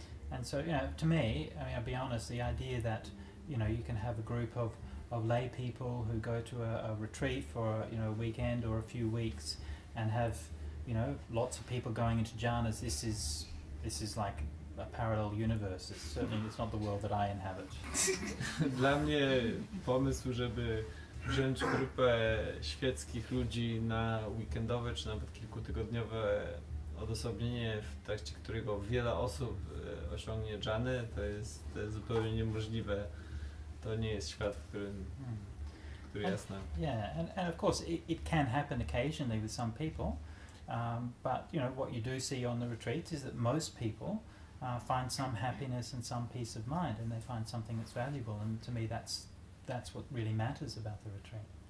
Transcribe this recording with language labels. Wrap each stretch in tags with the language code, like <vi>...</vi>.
<en>And so, you know, to me, I mean, I'll be honest, the idea that, you know, you can have a group of lay people who go to a retreat for, you know, a weekend or a few weeks and have, you know, lots of people going into jhanas, this is like a parallel universe. It's certainly, it's not the world that I inhabit.</en> <pl>Dla mnie pomysł, żeby wziąć grupę świeckich ludzi na weekendowe czy nawet kilkutygodniowe odosobnienie, w trakcie którego wiele osób osiągnie dżany, to jest zupełnie niemożliwe. To nie jest świat, w którym który jasne.</pl> <en>Yeah, and of course it can happen occasionally with some people, but you know what you do see on the retreats is that most people find some happiness and some peace of mind, and they find something that's valuable. And to me, that's what really matters about the retreat.</en>